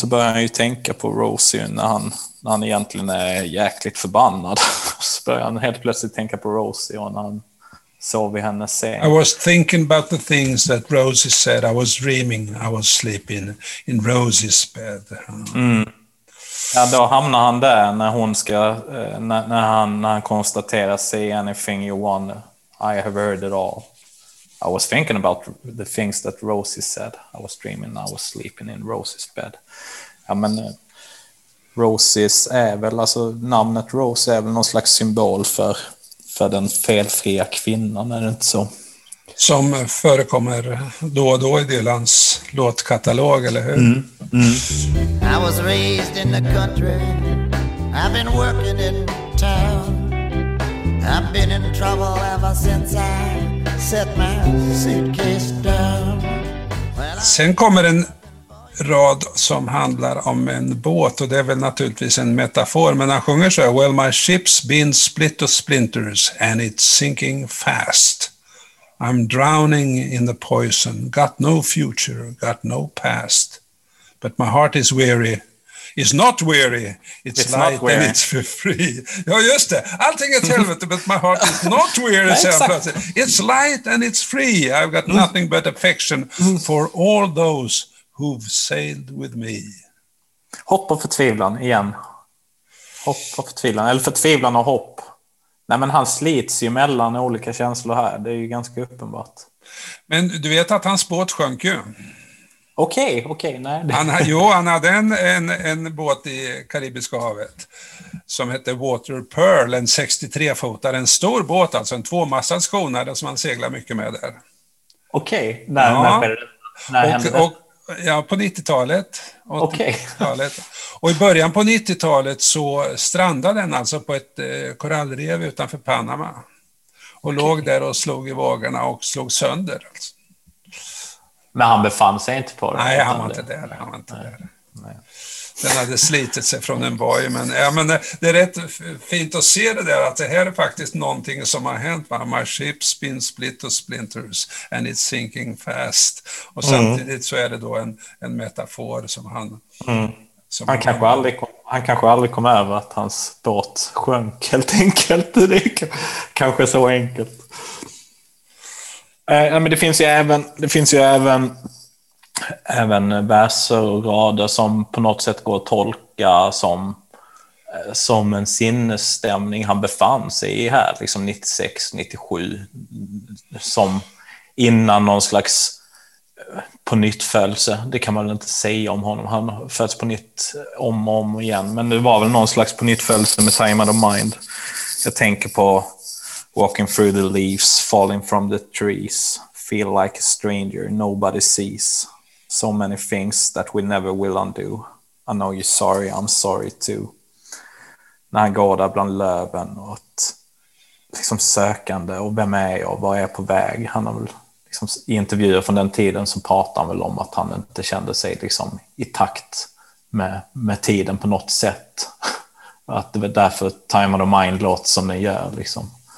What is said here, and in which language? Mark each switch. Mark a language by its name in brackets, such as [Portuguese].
[Swedish] Så börjar han ju tänka på Rosie när han egentligen är jäkligt förbannad, så börjar han helt plötsligt tänka på Rosie och när han såg vi henne sen. [English] I was thinking about the things that Rosie said. I was dreaming. I was sleeping in Rosie's bed. [Swedish] Ja, då hamnar han där när hon ska när han konstaterar [English] say anything you want. I have heard it all. I was thinking about the things that Rosie said. I was dreaming. I was sleeping in Rosie's bed. [Swedish] Ja, men Rosie's är väl, alltså namnet Rose är väl någon slags symbol för den felfria kvinnan, är det inte så? Som förekommer då och då i Dylans låtkatalog, eller hur? [English] I was raised in the country. I've been working in town. I've been in trouble ever since I set my suitcase down. [Swedish] Sen kommer en rad som handlar om en båt, och det är väl naturligtvis en metafor, men han sjunger så här: [English] well my ship's been split to splinters and it's sinking fast. I'm drowning in the poison, got no future, got no past, but my heart is weary, is not weary, it's light weary. And it's free. [Swedish] Ja, just det, allting är helvete, [English] but my heart is not weary. It's light and it's free. I've got nothing but affection for all those who've sailed with me. [Swedish] Hopp och förtvivlan igen. Hopp och förtvivlan. Eller förtvivlan och hopp. Nej, men han slits ju mellan olika känslor här. Det är ju ganska uppenbart. Men du vet att hans båt sjönk ju. Okej. Han hade en båt i Karibiska havet som hette Water Pearl. En 63-fotare. En stor båt, alltså en tvåmassad skonare som han seglar mycket med där. Okej. Ja, på 90-talet. Okej. Och i början på 90-talet så strandade den alltså på ett korallrev utanför Panama. Och låg där och slog i vågorna och slog sönder. Alltså. Men han befann sig inte på det? Nej, han var inte där. Den hade slitit sig från en boj. Men, ja, men det är rätt fint att se det där, att det här är faktiskt någonting som har hänt. [English] My ship spins split to splinters and it's sinking fast. [Swedish] Och samtidigt så är det då en metafor som han... Han kanske aldrig kom över att hans båt sjönk helt enkelt. Det är kanske så enkelt. Men det finns ju även verser och rader som på något sätt går att tolka som en sinnesstämning han befann sig i här, liksom 96-97, som innan någon slags på nytt födelse. Det kan man väl inte säga om honom, han föds på nytt om och om igen, men det var väl någon slags på nytt födelse med Time Out of Mind. Jag tänker på [English] Walking Through the Leaves, Falling from the Trees, Feel Like a Stranger, Nobody Sees, So many things that we never will undo. I know you're sorry, I'm sorry too. [Swedish] När han går där bland löven och att liksom sökande och vem är jag, vad är jag på väg. Han har väl liksom, i intervjuer från den tiden som pratar han väl om att han inte kände sig liksom i takt med tiden på något sätt. Att det var därför Time of the Mind låter som den gör. Liksom.